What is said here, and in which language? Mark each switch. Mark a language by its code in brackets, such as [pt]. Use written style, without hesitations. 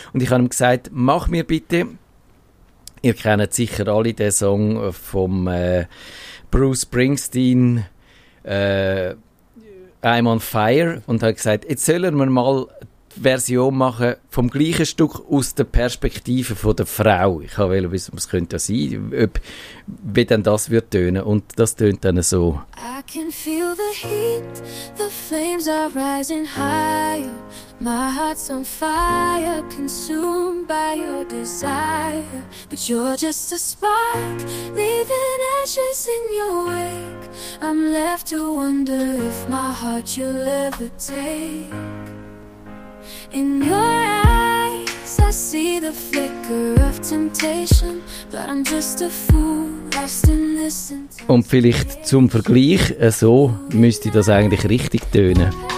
[de] Und ich habe ihm gesagt, mach mir bitte, ihr kennt sicher alle den Song von Bruce Springsteen, I'm on Fire, und habe gesagt, jetzt sollen wir mal die Version machen vom gleichen Stück aus der Perspektive von der Frau. Ich wollte wissen, was könnte das sein, wie denn das wird tönen. Und das tönt dann so. [en] I can feel the heat, the flames are rising higher. My heart's on fire, consumed by your desire. But you're just a spark, leaving ashes in your wake. I'm left to wonder if my heart you'll ever take. In your eyes, I see the flicker of temptation, but I'm just a fool, lost in this. [de] Und vielleicht zum Vergleich, so müsste das eigentlich richtig tönen.